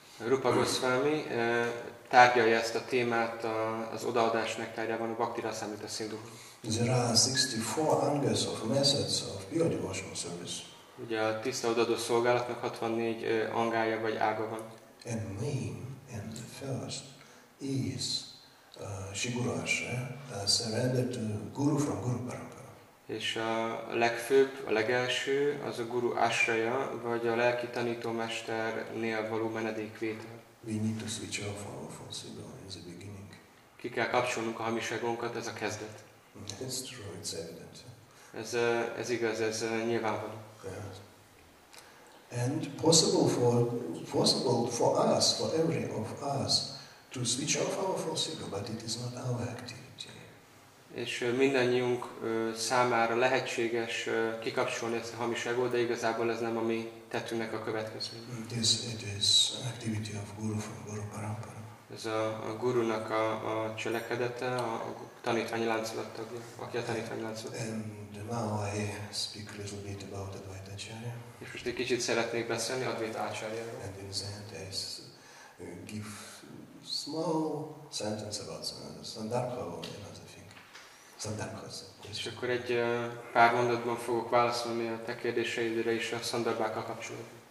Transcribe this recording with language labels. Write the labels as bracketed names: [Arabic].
[Hungarian] Rupa Goswami tárgyalja ezt a témát az odaadás nektárjában, a Vajrasamrita Simphonies. [English] There are 64 angas of methods of pure devotional service. [Hungarian] Ugye a tiszta odaadó szolgálatnak 64 angája vagy ága van. [English] And main and the first is Shiguru Ashraya, surrender to Guru from Guru Parampara. [Hungarian] És a legfőbb, a legelső az a Guru Ashraya, vagy a lelki tanítómesternél való menedékvétel. [English] We need to switch off our false ego in the beginning. [Hungarian] Ki kell kapcsolnunk a hamiságunkat, ez a kezdet. [English] It's true, it's evident. [Hungarian] Ez igaz, ez nyilvánvaló. [English] Yes. And possible for every of us to switch off our false ego, but it is not our activity. [Hungarian] És mindannyiunk számára lehetséges kikapcsolni ezt a hamis egót, de igazából ez nem a mi tettünknek a következménye. [English] It is an activity of Guru from Guru Parampara. [Hungarian] Ez a gurunak a cselekedete, a tanítványi láncolat tagja, aki a tanítványi láncolat. [English] And now I speak a little bit about Advaita Acharya. [Hungarian] És most egy kicsit szeretnék beszélni Advaita Acharyáról. [English] And in Zen, I give small sentence about Sandarbha or another thing. [Hungarian] Sandarbha. És akkor egy pár mondatban fogok válaszolni a te kérdéseidre is a Sandarbhákkal kapcsolatban.